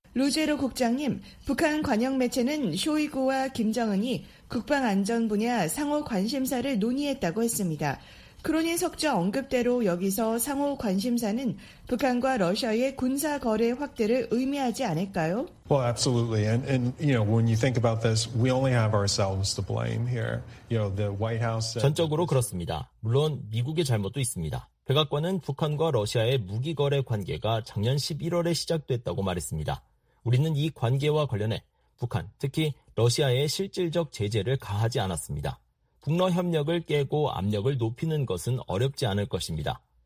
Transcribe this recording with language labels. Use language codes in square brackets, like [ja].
[ko] 루제로 국장님, 북한 관영 매체는 쇼이구와 김정은이 국방 안전 분야 상호 관심사를 논의했다고 했습니다. 크로닌 석좌 언급대로 여기서 상호 관심사는 북한과 러시아의 군사 거래 확대를 의미하지 않을까요? [en] Well, absolutely. And you know, when you think about this, we only have ourselves to blame here. You know, the White House. [ko] 전적으로 그렇습니다. 물론 미국의 잘못도 있습니다. 백악관은 북한과 러시아의 무기 거래 관계가 작년 11월에 시작됐다고 말했습니다. 우리는 이 관계와 관련해 북한, 특히 러시아의 실질적 제재를 가하지 않았습니다. 북러 협력을 깨고 압력을 높이는 것은 어렵지 않을 것입니다.